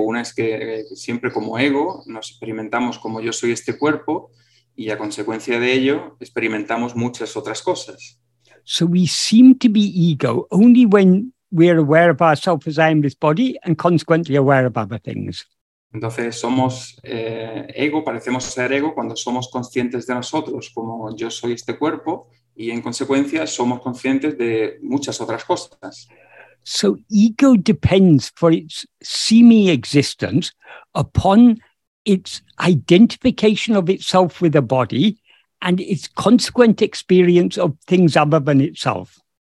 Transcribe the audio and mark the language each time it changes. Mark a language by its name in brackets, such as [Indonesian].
[Spanish] Una es que siempre como ego nos experimentamos como yo soy este cuerpo y a consecuencia de ello experimentamos muchas otras cosas. [English] So we seem to be ego only when we are aware of ourselves as I am this body and consequently aware of other things. [Spanish] Entonces somos ego, parecemos ser ego cuando somos conscientes de nosotros como yo soy este cuerpo y en consecuencia somos conscientes de muchas otras cosas. [English] So ego depends for its seeming existence upon its identification of itself with a body and its consequent experience of things other than itself.